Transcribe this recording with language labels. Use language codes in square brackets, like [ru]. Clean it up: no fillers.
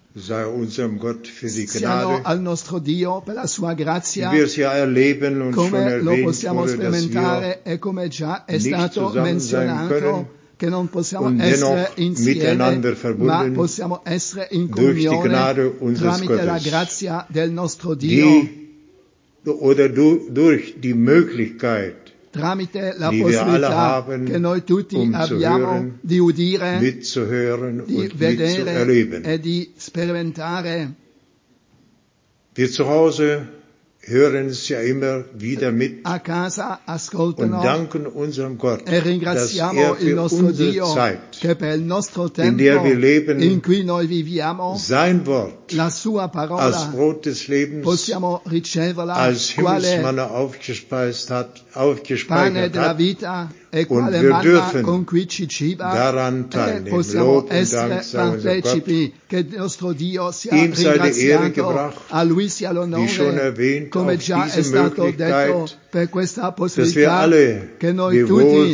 [de] Sei unserem Gott für die Gnade. [it] Al nostro Dio per la sua grazia. [de] Wie wir sie erleben und [it] come [de] schon erwähnt [it] lo possiamo [de] wurde, [it] sperimentare [de] dass wir [it] e come già è stato menzionato che non possiamo [de] und [it] essere insieme, [de] miteinander verbunden, [it] ma possiamo essere in comunione tramite [de] Gottes. [it] La grazia del nostro Dio. [de] Durch die Möglichkeit [it] tramite la [de] die [it] possibilità [de] haben, [it] che noi tutti abbiamo [de] hören, [it] di udire, [de] mitzuhören [it] di [de] und [it] vedere [de] mitzuerleben. [it] E di sperimentare. [de] Wir zu Hause hören es ja immer wieder mit [it] a casa ascoltano [de] und danken unserem Gott, [it] e ringraziamo [de] dass er [it] il nostro Dio [de] Zeit, [it] che per il nostro tempo [de] in, der wir leben, [it] in cui noi viviamo [de] sein Wort, [it] la sua parola [de] als Brot des Lebens, [it] possiamo riceverla [de] als Himmelsmanna aufgespeist hat, aufgespeichert [it] pane della vita, e quale manna con cui ci ciba, [de] daran teilnehmen. [it] E possiamo [de] Lob [it] essere partecipi che il nostro Dio sia [de] ihm [it] ringraziato [de] gebracht, [it] a Lui sia l'onore [de] wie schon erwähnt, [it] come già è stato detto per questa possibilità [de] alle, [it] che noi tutti